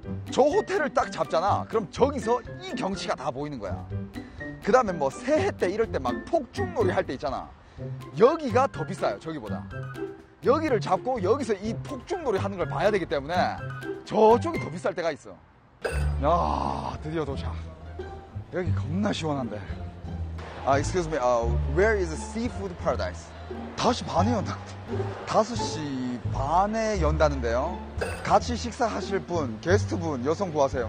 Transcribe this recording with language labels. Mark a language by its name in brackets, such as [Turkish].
[Korean] 저 호텔을 딱 잡잖아. 그럼 저기서 이 경치가 다 보이는 거야. 그 다음에 뭐 새해 때 이럴 때 막 폭죽놀이 할 때 있잖아. 여기가 더 비싸요, 저기보다. 여기를 잡고 여기서 이 폭죽놀이 하는 걸 봐야 되기 때문에 저쪽이 더 비쌀 때가 있어. 야, 드디어 도착. 여기 겁나 시원한데. [English] Excuse me, where is the seafood paradise? [Korean] 5시 반에 연다. 5시 반에 연다는데요. 같이 식사하실 분, 게스트분, 여성 구하세요.